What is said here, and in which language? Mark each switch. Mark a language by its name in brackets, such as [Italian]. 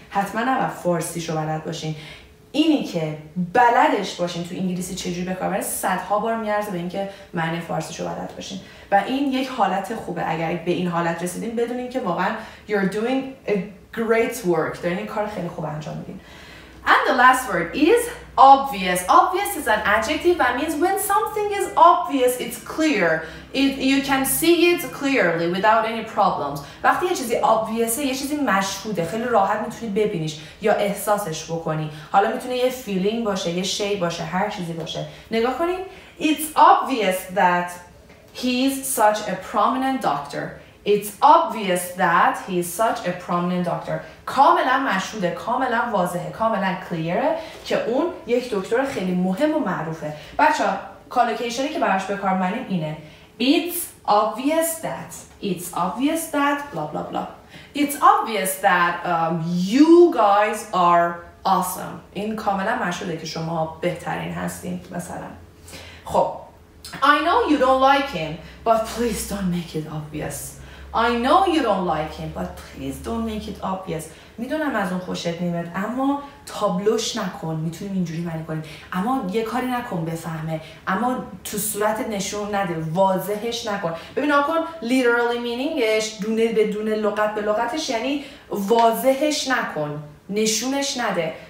[Persian] حتما نباید فارسیش رو بلد باشین، اینی که بلدش باشین تو انگلیسی چجوری بکار برای صدها بار میارزه به اینکه معنی فارسیشو بلد باشین. و این یک حالت خوبه، اگر به این حالت رسیدین بدونین که واقعا [English] you're doing a great work، [Persian] دارین این کار خیلی خوب انجام میدین. [English] And the last word is obvious. Obvious is an adjective that means when something is obvious, it's clear. You can see it clearly without any problems. [Persian] وقتی یه چیزی obviouse، یه چیزی مشهوده، خیلی راحت میتونی ببینیش یا احساسش بکنی. حالا میتونه یه feeling باشه، یه شی باشه، هر چیزی باشه. نگاه کنین. [English] It's obvious that he's such a prominent doctor. It's obvious that he is such a prominent doctor. [Persian] کاملا مشهوده، کاملا واضحه، کاملا کلیره که اون یک دکتر خیلی مهم و معروفه. بچه ها کالوکیشنی که براش بکار منیم اینه. [English] It's obvious that blah blah blah. It's obvious that you guys are awesome. [Persian] این کاملا مشهوده که شما بهترین هستین مثلا. [English] خب I know you don't like him but please don't make it obvious. I know you don't like him but please don't make it obvious. [Persian] میدونم از اون خوشت نمیاد اما تابلوش نکن، میتونیم اینجوری معنی کنیم، اما یه کاری نکن بفهمه، اما تو صورت نشون نده، واضحش نکن. ببین آکن literally meaningش، دونه به دونه، لغت به لغتش، یعنی واضحش نکن، نشونش نده.